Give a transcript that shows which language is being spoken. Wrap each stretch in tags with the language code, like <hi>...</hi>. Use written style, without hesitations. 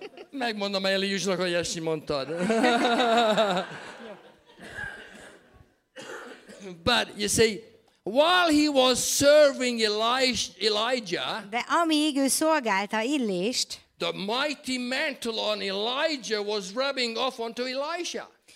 <hu>Megmondom Eliusnak, hogy ezt mondtad.</hu> <en>But you see, while he was serving Elijah,</en> <hu>de amíg ő szolgálta Illést,</hu> <en>the mighty mantle on Elijah was rubbing off onto Elisha.</en>